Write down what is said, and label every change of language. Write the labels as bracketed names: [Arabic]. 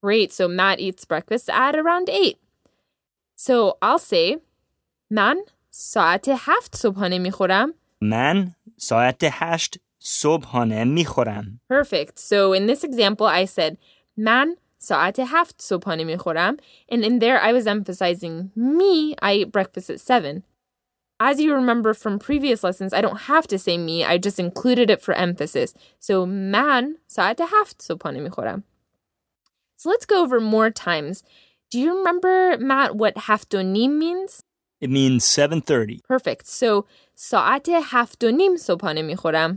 [English] Great. So Matt eats breakfast at around 8. So I'll say, [Persian] من ساعت هفت صبحانه میخورم. من ساعت هشت صبحانه میخورم. [English] Perfect. So in this example, I said, [Persian] من ساعت هفت صبحانه میخورم. [English] And in there, I was emphasizing me, I eat breakfast at 7. As you remember from previous lessons, I don't have to say me, I just included it for emphasis. [Persian] So, من ساعت هفت صبحانه میخورم. [English] So let's go over more times. Do you remember, Matt, what [Persian] هفت و نیم [English] means? It means 7:30. Perfect. [Persian] So, ساعت هفت و نیم صبحانه میخورم.